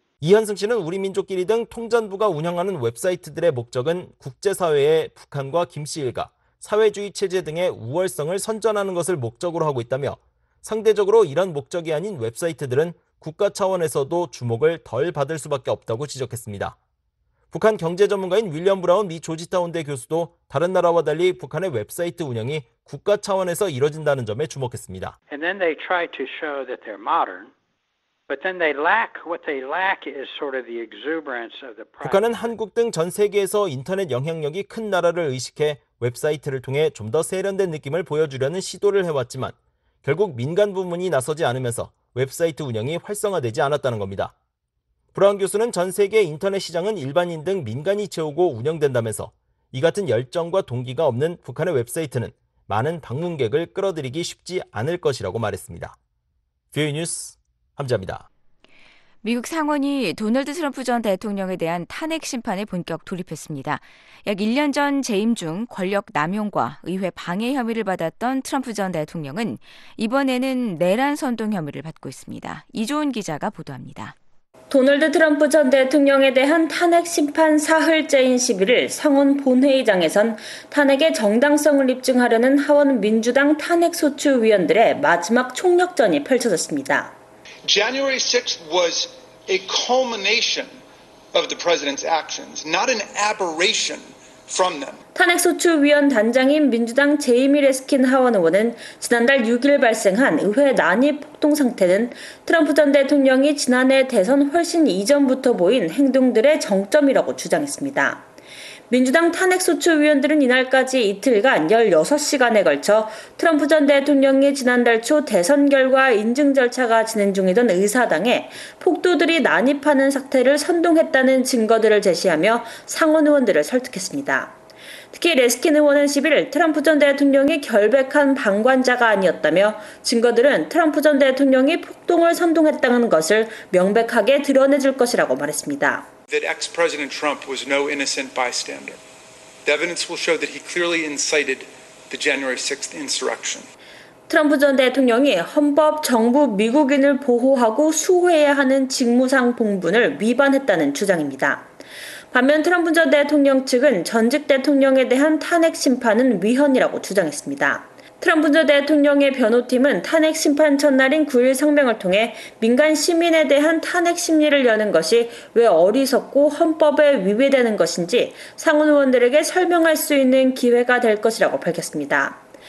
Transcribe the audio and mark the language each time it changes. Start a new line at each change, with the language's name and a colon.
Korean: 이현승 씨는 우리 민족끼리 등 통전부가 운영하는 웹사이트들의 목적은 국제사회에 북한과 김 씨 일가, 사회주의 체제 등의 우월성을 선전하는 것을 목적으로 하고 있다며 상대적으로 이런 목적이 아닌 웹사이트들은 국가 차원에서도 주목을 덜 받을 수밖에 없다고 지적했습니다. 북한 경제 전문가인 윌리엄 브라운 미 조지타운대 교수도 다른 나라와 달리 북한의 웹사이트 운영이 국가 차원에서 이뤄진다는 점에 주목했습니다.
English: And then they try to show that they're modern. But then they lack what they lack is sort of the exuberance of the
Korean: 북한은 한국 등 전 세계에서 인터넷 영향력이 큰 나라를 의식해 웹사이트를 통해 좀 더 세련된 느낌을 보여주려는 시도를 해왔지만 결국 민간 부문이 나서지 않으면서 웹사이트 운영이 활성화되지 않았다는 겁니다. 브라운 교수는 전 세계 인터넷 시장은 일반인 등 민간이 채우고 운영된다면서 이 같은 열정과 동기가 없는 북한의 웹사이트는 많은 방문객을 끌어들이기 쉽지 않을 것이라고 말했습니다. 뷰 뉴스 함재합니다. 미국 상원이 도널드 트럼프 전 대통령에 대한 탄핵 심판에 본격 돌입했습니다. 약 1년 전 재임 중 권력 남용과 의회 방해 혐의를 받았던 트럼프 전 대통령은 이번에는 내란 선동 혐의를 받고 있습니다. 이조은 기자가 보도합니다. 도널드 트럼프 전 대통령에 대한 탄핵 심판 사흘째인 11일 상원 본회의장에선 탄핵의 정당성을 입증하려는 하원 민주당 탄핵 소추 위원들의 마지막 총력전이 펼쳐졌습니다.
English: January 6th was a culmination of the president's actions, not an aberration from them.
Korean: 탄핵 소추 위원 단장인 민주당 제이미 레스킨 하원 의원은 지난달 6일 발생한 의회 난입 폭동 상태는 트럼프 전 대통령이 지난해 대선 훨씬 이전부터 보인 행동들의 정점이라고 주장했습니다. 민주당 탄핵소추 위원들은 이날까지 이틀간 16시간에 걸쳐 트럼프 전 대통령이 지난달 초 대선 결과 인증 절차가 진행 중이던 의사당에 폭도들이 난입하는 사태를 선동했다는 증거들을 제시하며 상원 의원들을 설득했습니다. 특히 레스킨 의원은 11일 트럼프 전 대통령이 결백한 방관자가 아니었다며 증거들은 트럼프 전 대통령이 폭동을 선동했다는 것을 명백하게 드러내줄 것이라고 말했습니다.
English: That ex-president Trump was no innocent bystander. The evidence will show that he clearly incited the January 6th insurrection.
Korean: 트럼프 전 대통령이 헌법, 정부, 미국인을 보호하고 수호해야 하는 직무상 본분을 위반했다는 주장입니다. 반면 트럼프 전 대통령 측은 전직 대통령에 대한 탄핵 심판은 위헌이라고 주장했습니다. 트럼프 전 대통령의 변호팀은 탄핵 심판 첫날인 9일 성명을 통해 민간 시민에 대한 탄핵 심리를 여는 것이 왜 어리석고 헌법에 위배되는 것인지 상원 의원들에게 설명할 수 있는 기회가 될 것이라고 밝혔습니다.